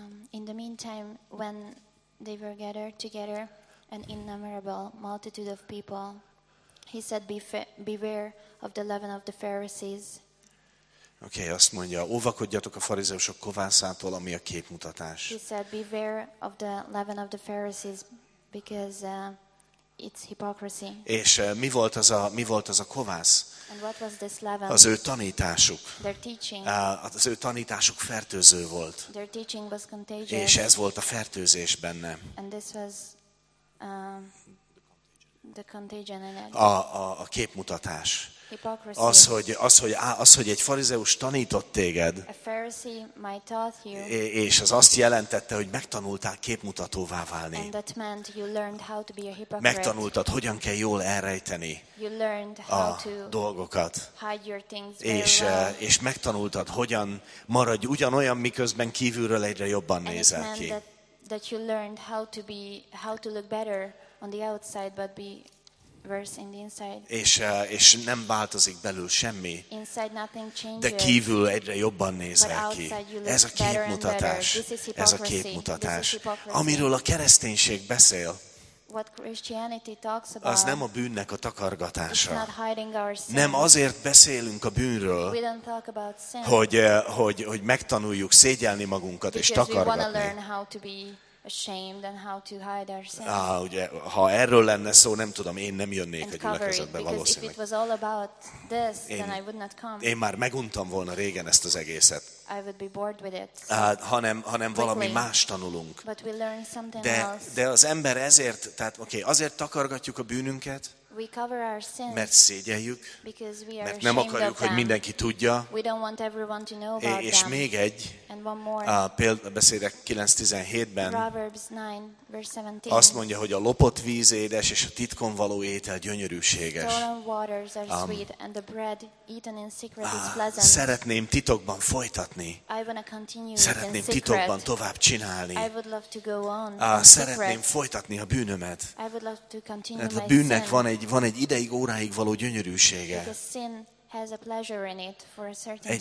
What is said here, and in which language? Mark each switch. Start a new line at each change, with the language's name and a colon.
English: In the meantime, when they were gathered together, an innumerable multitude of people, he said, beware of the leaven of the Pharisees.
Hungarian: Okay, azt mondja, óvakodjatok a farizeusok kovászától, ami a képmutatás.
English: He said, beware of the leaven of the Pharisees, because It's hypocrisy.
Hungarian: És mi volt az a kovász?
English: And what was this leaven?
Hungarian: Az ő tanításuk.
English: Their teaching.
Hungarian: Az ő tanításuk fertőző volt.
English: Their teaching was contagious.
Hungarian: És ez volt a fertőzés benne.
English: And this was the contagion in it.
Hungarian: A képmutatás.
English: Hypocrisy.
Hungarian: Az, hogy egy farizeus tanított téged.
English: A Pharisee might taught you.
Hungarian: És az azt jelentette, hogy megtanultál képmutatóvá válni.
English: And that meant you learned how to be a hypocrite.
Hungarian: Megtanultad, hogyan kell jól elrejteni.
English: You learned how
Hungarian: a
English: to
Hungarian: dolgokat.
English: Hide your things very
Hungarian: és,
English: well.
Hungarian: És megtanultad, hogyan maradj ugyanolyan, miközben kívülről egyre jobban nézel ki.
English: That you learned how to look better on the outside but be worse in the inside.
Hungarian: És nem változik belül semmi.
English: Inside nothing changes.
Hungarian: De kívül egyre jobban nézel ki. Ez a képmutatás. Ez a képmutatás. Amiről a kereszténység beszél.
English: What Christianity talks about,
Hungarian: az nem a bűnnek a takargatása.
English: It's not hiding our sin.
Hungarian: Nem azért beszélünk a bűnről,
English: we don't talk about sin,
Hungarian: hogy megtanuljuk szégyelni magunkat és takargatni.
English: Because we want to learn how to be ashamed and how to hide our sin.
Hungarian: Ugye, ha erről lenne szó, nem tudom, én nem jönnék a gyülekezetbe valószínűleg.
English: If it was all about this, then I would not come.
Hungarian: Én már meguntam volna régen ezt az egészet.
English: I would be bored with it.
Hungarian: Hanem valami más tanulunk.
English: But we learn something else.
Hungarian: De az ember ezért, tehát okay, azért takargatjuk a bűnünket,
English: we cover our sins,
Hungarian: mert szégyeljük,
English: because we are
Hungarian: mert nem
English: ashamed
Hungarian: akarjuk,
English: of them.
Hungarian: Hogy mindenki tudja.
English: We don't want everyone to know about them.
Hungarian: És még egy,
English: and one more.
Hungarian: Beszédek 9:17-ben,
English: Proverbs 9, verse 17.
Hungarian: Azt mondja, hogy a lopott víz édes, és a titkon való étel gyönyörűséges.
English: Stolen waters are sweet, and the bread eaten in secret is pleasant.
Hungarian: Szeretném titokban folytatni.
English: I want to continue.
Hungarian: Szeretném titokban tovább csinálni.
English: I would love to go on.
Hungarian: Szeretném folytatni a bűnömet.
English: I would love to continue.
Hungarian: A bűnnek
English: sin.
Hungarian: van egy ideig, óráig való gyönyörűsége.
English: Has a pleasure in it for a certain